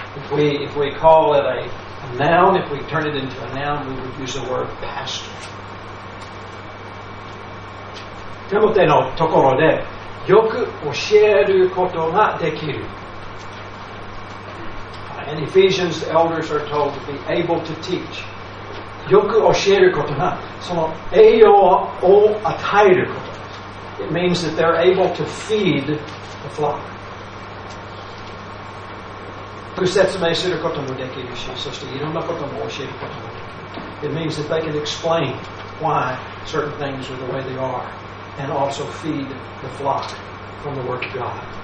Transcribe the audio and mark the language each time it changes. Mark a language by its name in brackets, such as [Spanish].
[English] If we call it a noun, if we turn it into a noun, we would use the word pastor. [Japanese] テモテのところでよく教えることができる。 [English] In Ephesians, the elders are told to be able to teach. [Japanese] よく教えることがその栄養を与えること。 [English] It means that they're able to feed the flock. [Japanese] 説明することもできるし、そしていろんなことも教えることもできる。 [English] It means that they can explain why certain things are the way they are and also feed the flock from the Word of God.